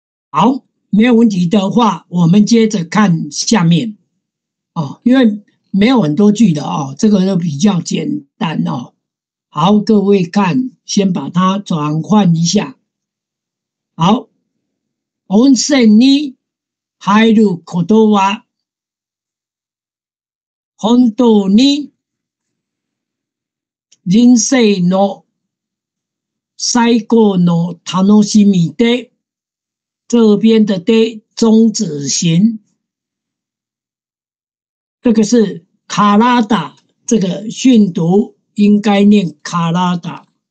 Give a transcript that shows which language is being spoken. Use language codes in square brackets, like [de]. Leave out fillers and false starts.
[zh] 好。没有问题的话，我们接着看下面哦，因为没有很多句的哦，这个就比较简单哦。好，各位看，先把它转换一下。 [ja] 好，温泉に入ることは本当に人生の最高の楽しみで。 [zh] 这边的的中子型，这个是卡拉达，这个训读应该念卡拉达。